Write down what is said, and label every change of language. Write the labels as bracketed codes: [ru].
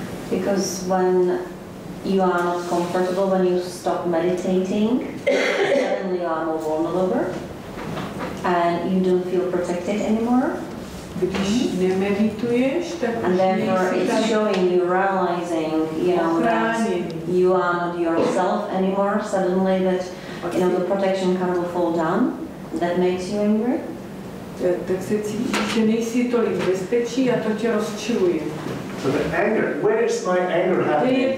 [en] Because when you are not comfortable, when you stop meditating, suddenly you are more vulnerable and you don't feel protected anymore. And therefore it's showing you, realizing, you know, that you are not yourself anymore, suddenly that, you know, the protection kind of fall down, that makes you angry. [cs] Tak se cítí, že nejsi tolik bezpečí a to tě rozčiluje. [en] So the anger, where is my anger happening?